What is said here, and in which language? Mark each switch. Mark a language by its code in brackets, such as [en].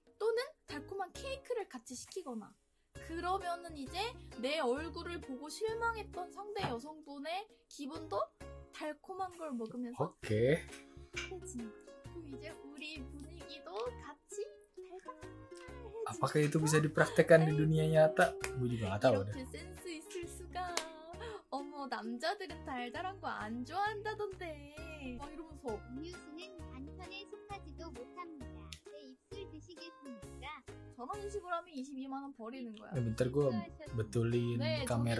[ko] 또는 달콤한 케이크를 같이 시키거나. 그러면은 이제 내 얼굴을 보고 실망했던 상대 여성분의 기분도 달콤한 걸 먹으면서 오케이. 이제 우리 분위기도 같이 대박. [id] Apakah itu bisa dipraktekkan di dunia nyata? Gue juga gak tahu. [ko] 이렇게 센스 있을 수가. 어머 남자들은 달달한 거 안 좋아한다던데. 막 이러면서 음료수는 반찬에 속하지도 못합니다. 내 입술 드시겠습니까? 저런 식으로 하면 22만 원 버리는 거야. 멘탈 고 뚫린 카메라.